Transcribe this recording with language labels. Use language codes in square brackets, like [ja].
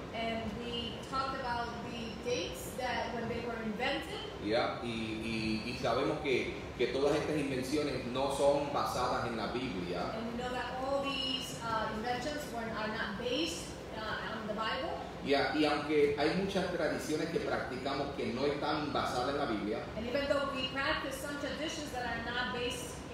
[en] And we talked about the dates that when they were invented. [es] Y sabemos que todas estas invenciones no son basadas en la Biblia. [en] And we know that all these inventions are not based on the Bible. [es] Y aunque hay muchas tradiciones que practicamos que no están basadas en la Biblia. [en] And even though we practice some traditions that are not based